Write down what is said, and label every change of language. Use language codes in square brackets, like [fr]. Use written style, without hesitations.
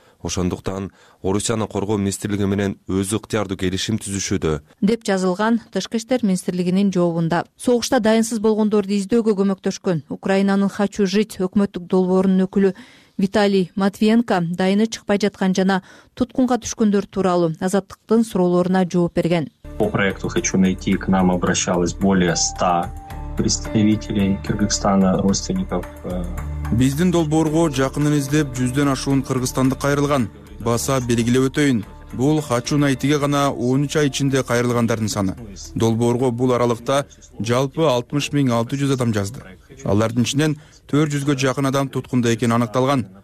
[ky] Ошондуктан Орусиянын коргоо министрлиги менен өз ыктыярдуу келишим түзүшүүдө деп жазылган тышкы иштер министрлигинин жообунда. Согушта дайынсыз болгондорду издөөгө көмөктөшкөн Украинанын Хочу жить өкмөттүк долбоорунун өкүлү Виталий Матвиенко дайыны чыкпай жаткан жана туткунга түшкөндөр тууралуу азаттыктын суроолоруна жооп берген. [ru] По проекту Хочу найти к нам обращалось более 100 представителей Кыргызстана, родственников. [ky] Биздин долбоорго жакынын издеп 100 ашуун кыргызстандык кайрылган. Баса белгилеп өтөйүн. Бул Хочу найтиге гана 13 ай ичинде кайрылгандардын саны. Долбоорго бул аралыкта жалпы 60600 адам жазды. Алардын ичинен 400 жакын адам туткунда экени аныкталган.